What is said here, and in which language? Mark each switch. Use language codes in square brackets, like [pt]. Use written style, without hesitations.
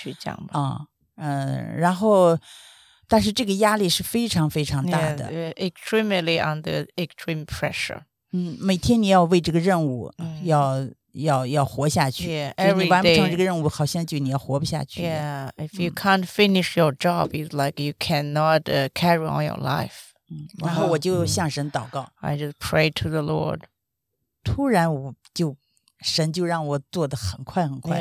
[zh] 就是在你信主之后，所以也都有恩典，就是他们没信主，他们也那里边也不是好像都是坏人，他们也都有，对，也有良善，继续讲吧，然后。但是这个压力是非常非常大的， [en] extremely under extreme pressure. [zh] 每天你要为这个任务要活下去，你完不成这个任务，好像就你要活不下去。 [en] Yeah, if you can't finish your job, it's like you cannot carry on your life. [zh] 然后我就向神祷告。 [en] I just pray to the Lord. [zh] 突然神就让我做得很快很快。